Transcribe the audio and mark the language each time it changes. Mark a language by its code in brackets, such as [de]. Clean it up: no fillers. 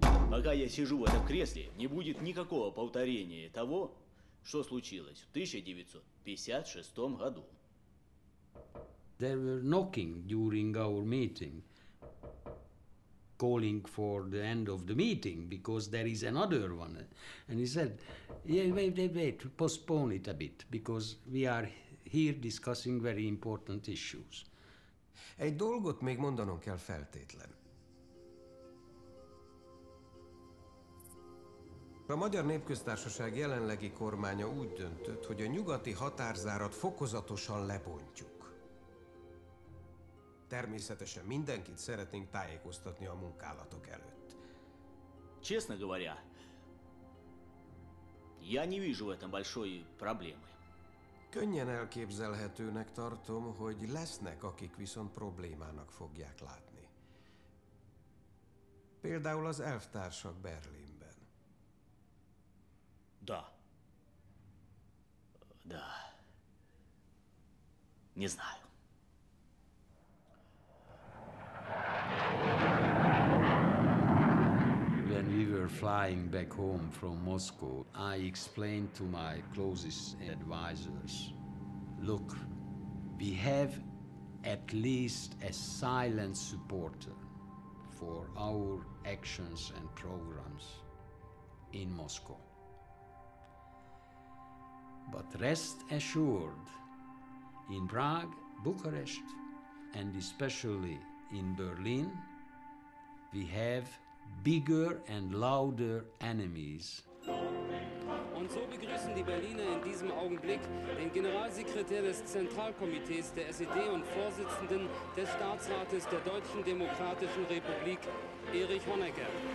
[ru] Пока я сижу в этом кресле, не будет никакого повторения того, что случилось в 1956 году. [en] There were knocking during our meeting, calling for the end of the meeting because there is another one. And he said, yeah, wait, postpone it a bit because we are here discussing very important issues. [hu] Egy dolgot még mondanom kell feltétlen. A Magyar Népköztársaság jelenlegi kormánya úgy döntött, hogy a nyugati határzárat fokozatosan lebontjuk. Természetesen mindenkit szeretnénk tájékoztatni a munkálatok előtt. [ru] Честно говоря, я не вижу в этом большой проблемы. [hu] Könnyen elképzelhetőnek tartom, hogy lesznek, akik viszont problémának fogják látni. Például az elvtársak Berlinben. [ru] Да. Да. Не знаю. [en] When we were flying back home from Moscow, I explained to my closest advisors, look, we have at least a silent supporter for our actions and programs in Moscow. But rest assured, in Prague, Bucharest, and especially in Berlin, we have bigger and louder enemies. [de] Und so begrüßen die Berliner in diesem Augenblick den Generalsekretär des Zentralkomitees der SED und Vorsitzenden des Staatsrates der Deutschen Demokratischen Republik, Erich Honecker.